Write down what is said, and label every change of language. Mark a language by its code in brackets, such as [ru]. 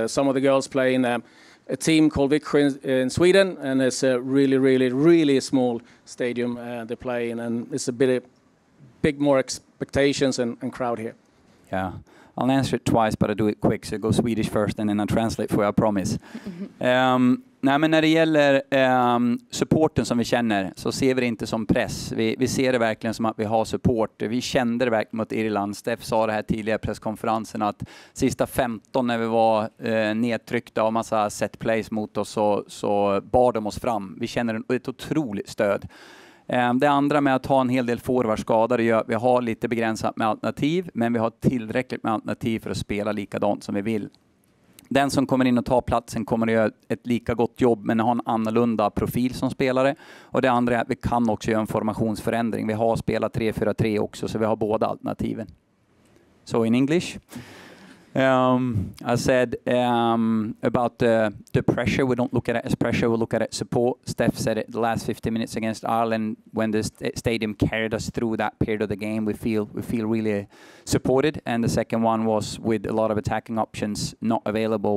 [en] Some of the girls play in a team called Vickery in Sweden, and it's a really, really, really small stadium they play in, and it's a big more expectations and crowd here. Yeah. I'll answer it twice, but I do it quick. So I go Swedish first, and then I translate for you, I promise. [sv] Nej, men när det gäller supporten som vi känner, så ser vi det inte som press. Vi ser det verkligen som att vi har support. Vi kände det verkligen mot Irland. Steph sa det här tidigare presskonferensen, att sista 15 när vi var nedtryckta och massa set plays mot oss, så bad de oss fram. Vi känner ett otroligt stöd. Det andra med att ha en hel del forwardskador gör att vi har lite begränsat med alternativ, men vi har tillräckligt med alternativ för att spela likadant som vi vill. den som kommer in och tar platsen kommer att göra ett lika gott jobb men har en annorlunda profil som spelare. Och det andra är att vi kan också göra en formationsförändring. Vi har spelat 3-4-3 också, så vi har båda alternativen. [en] So in English, I said about the pressure. We don't look at it as pressure, we look at it support. Steph said it the last 50 minutes against Ireland when the stadium carried us through that period of the game. We feel really supported. And the second one was with a lot of attacking options not available.